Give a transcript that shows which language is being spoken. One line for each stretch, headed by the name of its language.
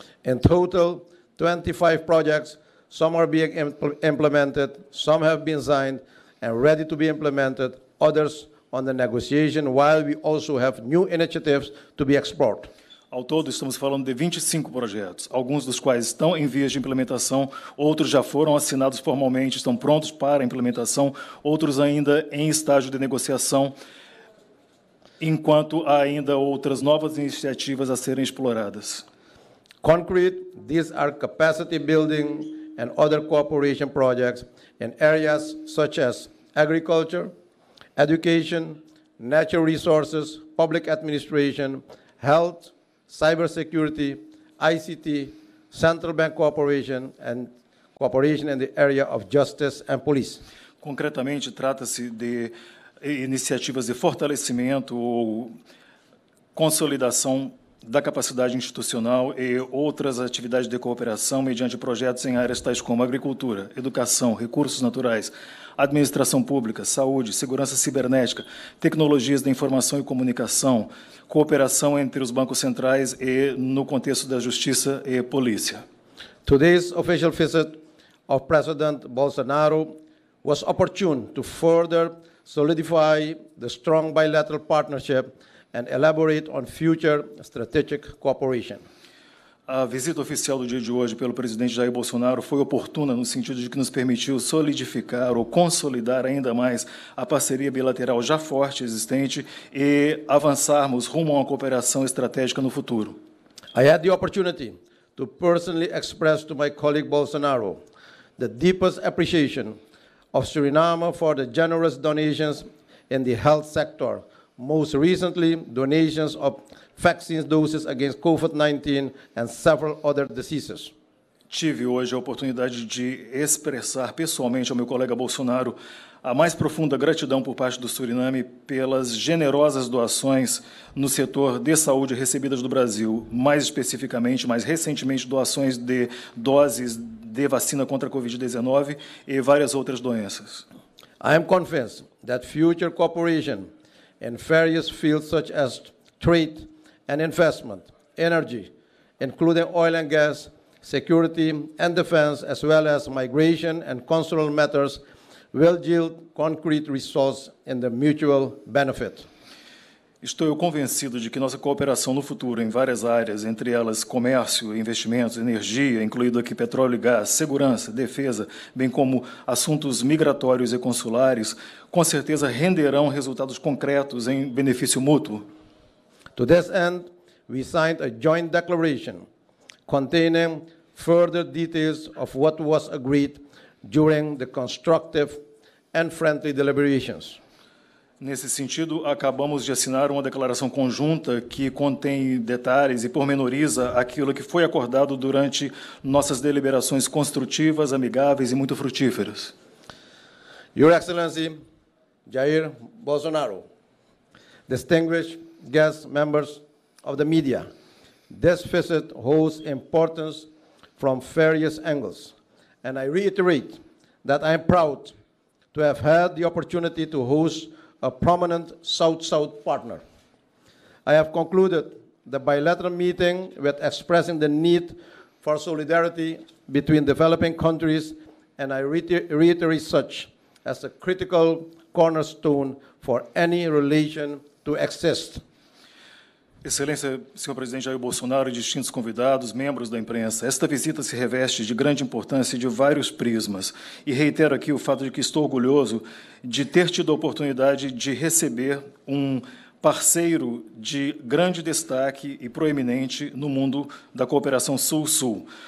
English: In total, 25 projects, some are being implemented, some have been signed and ready to be implemented, others on the negotiation, while we also have new initiatives to be explored.
Portuguese: Ao todo, estamos falando de 25 projetos, alguns dos quais estão em vias de implementação, outros já foram assinados formalmente, estão prontos para implementação, outros ainda em estágio de negociação, enquanto há ainda outras novas iniciativas a serem exploradas.
English: Concrete, these are capacity building and other cooperation projects in areas such as agriculture, education, natural resources, public administration, health, cybersecurity, ICT, central bank cooperation and cooperation in the area of justice and police.
Portuguese: Concretamente, trata-se de iniciativas de fortalecimento ou consolidação da capacidade institucional e outras atividades de cooperação mediante projetos em áreas tais como agricultura, educação, recursos naturais, administração pública, saúde, segurança cibernética, tecnologias da informação e comunicação, cooperação entre os bancos centrais e no contexto da justiça e polícia.
English: Today's official visit of President Bolsonaro was opportune to further solidify the strong bilateral partnership and elaborate on future strategic cooperation.
Portuguese: A visita oficial do dia de hoje pelo presidente Jair Bolsonaro foi oportuna no sentido de que nos permitiu solidificar ou consolidar ainda mais a parceria bilateral já forte existente e avançarmos rumo a uma cooperação estratégica no futuro.
English: I had the opportunity to personally express to my colleague Bolsonaro the deepest appreciation of Suriname for the generous donations in the health sector, most recently donations of vaccines doses against COVID-19 and several other diseases.
Portuguese: Tive hoje a oportunidade de expressar pessoalmente ao meu colega Bolsonaro a mais profunda gratidão por parte do Suriname pelas generosas doações no setor de saúde recebidas do Brasil, mais especificamente, mais recentemente, doações de doses de vacina contra a COVID-19 e várias outras doenças.
English: I am convinced that future cooperation in various fields such as trade and investment, energy, including oil and gas, security and defense, as well as migration and consular matters, will yield concrete results in the mutual benefit.
Portuguese: Estou convencido de que nossa cooperação no futuro em várias áreas, entre elas comércio, investimentos, energia, incluído aqui petróleo e gás, segurança, defesa, bem como assuntos migratórios e consulares, com certeza renderão resultados concretos em benefício mútuo.
English: To this end, we signed a joint declaration containing further details of what was agreed during the constructive and friendly deliberations.
Portuguese: Nesse sentido, acabamos de assinar uma declaração conjunta que contém detalhes e pormenoriza aquilo que foi acordado durante nossas deliberações construtivas, amigáveis e muito frutíferas.
English: Your Excellency, Jair Bolsonaro, distinguished guests, members of the media, this visit holds importance from various angles, and I reiterate that I am proud to have had the opportunity to host a prominent South-South partner. I have concluded the bilateral meeting with expressing the need for solidarity between developing countries, and I reiterate such as a critical cornerstone for any relation to exist.
Portuguese: Excelência, senhor presidente Jair Bolsonaro, distintos convidados, membros da imprensa, esta visita se reveste de grande importância e de vários prismas. E reitero aqui o fato de que estou orgulhoso de ter tido a oportunidade de receber um parceiro de grande destaque e proeminente no mundo da cooperação Sul-Sul.